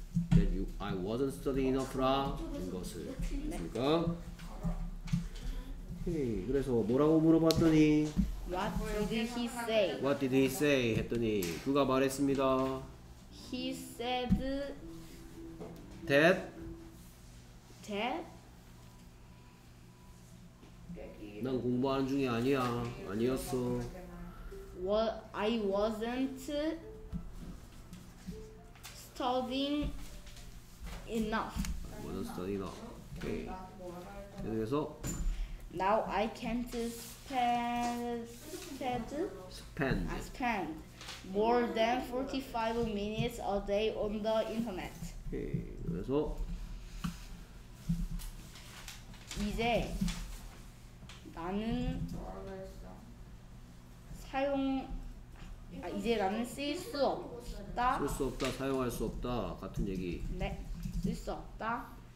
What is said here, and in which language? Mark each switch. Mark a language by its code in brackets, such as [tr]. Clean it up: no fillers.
[en] That you, I wasn't studying enough라 는 것을. [ko] 됐습니까? 그래서 뭐라고 물어봤더니 [en] What did he say? [ko] 했더니 그가 말했습니다. [en] He said that? [ko] 난 공부하는 중이 아니야. 아니었어. [en] I wasn't studying enough. I wasn't studying enough. Okay. [ko] 그래서 [en] Now I can't spend more than 45 minutes a day on the internet. [ko] Okay. 그래서 이제 나는 사용 이제 나는 쓸 수 없다 사용할 수 없다 같은 얘기. 네. 쓸 수 없다.